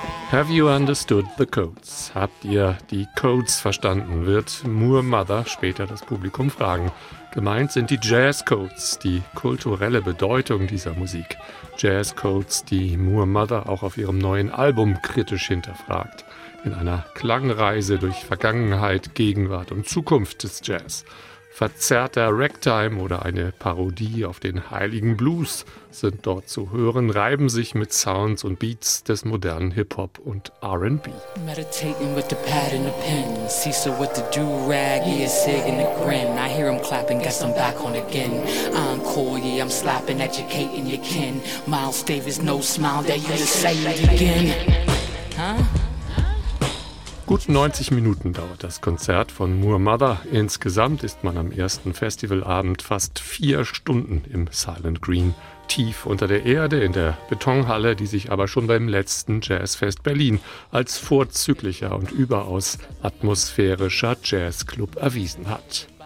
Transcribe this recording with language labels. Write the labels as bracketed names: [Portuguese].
[English] Have you understood the codes? [German] Habt ihr die Codes verstanden? Wird Moor Mother später das Publikum fragen. Gemeint sind die Jazz Codes, die kulturelle Bedeutung dieser Musik. Jazz Codes, die Moor Mother auch auf ihrem neuen Album kritisch hinterfragt. In einer Klangreise durch Vergangenheit, Gegenwart und Zukunft des Jazz. Verzerrter Ragtime oder eine Parodie auf den heiligen Blues sind dort zu hören, reiben sich mit Sounds und Beats des modernen Hip-Hop und R&B. [English] Meditating with the pad and the pen, see so what the do-rag, yeah, sig and the grin. I hear him clapping, guess I'm back on again. Encore, yeah, I'm slapping, educating your kin. Miles Davis, no smile, that you're the same again. Huh? [German] Gut 90 Minuten dauert das Konzert von Moor Mother. Insgesamt ist man am ersten Festivalabend fast 4 Stunden im Silent Green, tief unter der Erde in der Betonhalle, die sich aber schon beim letzten Jazzfest Berlin als vorzüglicher und überaus atmosphärischer Jazzclub erwiesen hat.